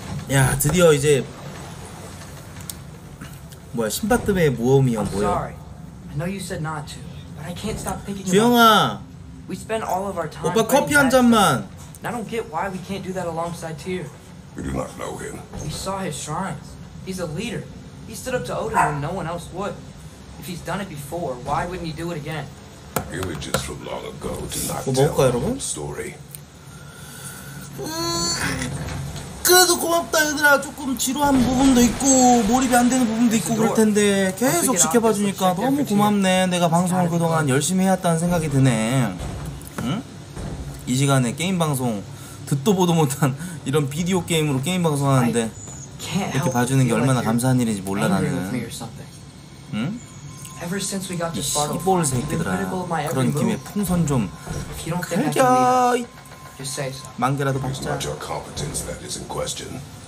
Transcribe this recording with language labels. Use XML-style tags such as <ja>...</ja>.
<ko>야, 드디어 이제 뭐야, 신바트맨 모험이야 뭐야.</ko> <en>I know you said not to, but I can't stop thinking.</en> <ko>주영아.</ko> <en>We spend all of our time.</en> <ko>오빠 커피 한 잔만.</ko> <en>I don't get why we can't do that alongside Tyr. We do not know him. We saw his shrines. He's a leader. He stood up to Odin when no one else would. If he's done it before, why wouldn't he do it again? Images from long ago do not tell the whole story.</en> <ko>그래도 고맙다 얘들아. 조금 지루한 부분도 있고 몰입이 안 되는 부분도 있고 그럴 텐데 계속 지켜봐 주니까 너무 고맙네. 내가 방송을 그동안 열심히 해왔다는 생각이 드네. 응? 이 시간에 게임 방송 듣도 보도 못한 이런 비디오 게임으로 게임 방송하는데 이렇게 봐주는 게 얼마나 감사한 일인지 몰라 나는. 응?</ko> <en>Ever since we got to Sparta, I've been critical of my every move.</en> <ko>김에 풍선 좀 흘려.</ko> <en>Just say so.</en> <ko>만개라도 박자.</ko> <en>It's not your competence that is in question.</en>